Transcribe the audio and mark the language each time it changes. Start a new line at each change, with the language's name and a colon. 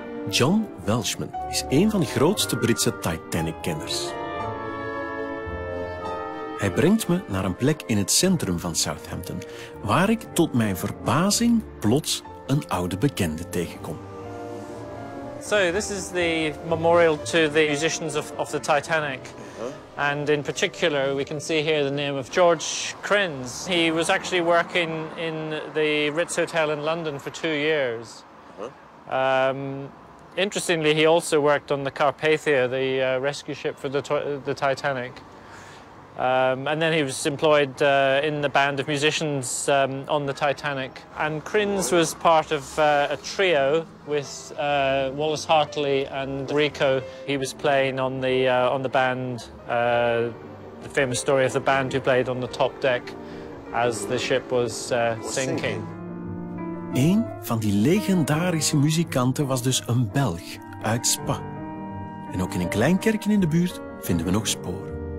Dutch: John Welshman is een van de grootste Britse Titanic-kenners. Hij brengt me naar een plek in het centrum van Southampton, waar ik tot mijn verbazing plots een oude bekende tegenkom.
English: So this is the memorial to the musicians of the Titanic. Uh-huh. And in particular we can see here the name of George Crenz. He was actually working in the Ritz Hotel in London for 2 years. Uh-huh. Interestingly, he also worked on the Carpathia, the rescue ship for the Titanic. And then he was employed in the band of musicians on the Titanic. And Crenz was part of a trio with Wallace Hartley and Rico. He was playing on the band, the famous story of the band who played on the top deck as the ship was sinking.
Dutch: Een van die legendarische muzikanten was dus een Belg uit Spa. En ook in een klein kerkje in de buurt vinden we nog sporen.